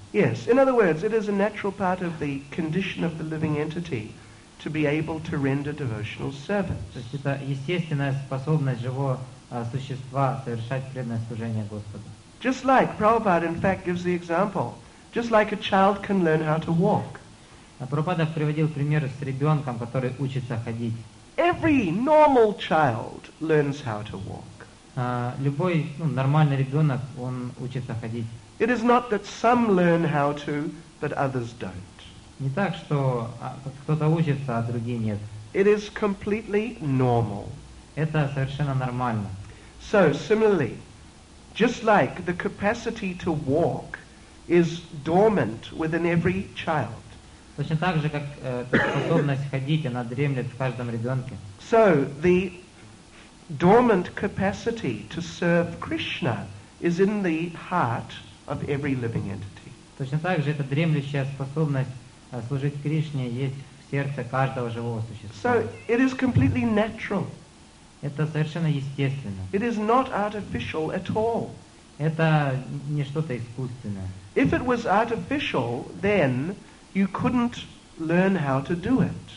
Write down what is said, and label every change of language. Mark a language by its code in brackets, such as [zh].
[en] Yes, in other words, it is a natural part of the condition of the living entity to be able to render devotional service. [ru] То есть это естественная способность живого существа совершать преданное служение Господу. [en] Just like Prabhupada, in fact, gives the example. Just like a child can learn how to walk. [ru] Прабхупада приводил пример с ребенком, который учится ходить. [en] Every normal child learns how to walk. [ru] Любой нормальный ребенок, он учится ходить. [en] It is not that some learn how to, but others don't. [ru] Не так, что кто-то учится, а другие нет. [en] It is completely normal. [ru] Это совершенно нормально. [en] So, similarly, just like the capacity to walk is dormant within every child. [ru] Точно так же, как способность ходить, она дремлет в каждом ребенке. [en] So, the dormant capacity to serve Krishna is in the heart of every living entity. [ru] Точно так же, эта дремлющая способность служить Кришне есть в сердце каждого живого существа. [en] So, it is completely natural. [ru] Это совершенно естественно. [en] It is not artificial at all. [ru] Это не что-то искусственное. [en] If it was artificial, then you couldn't learn how to do it.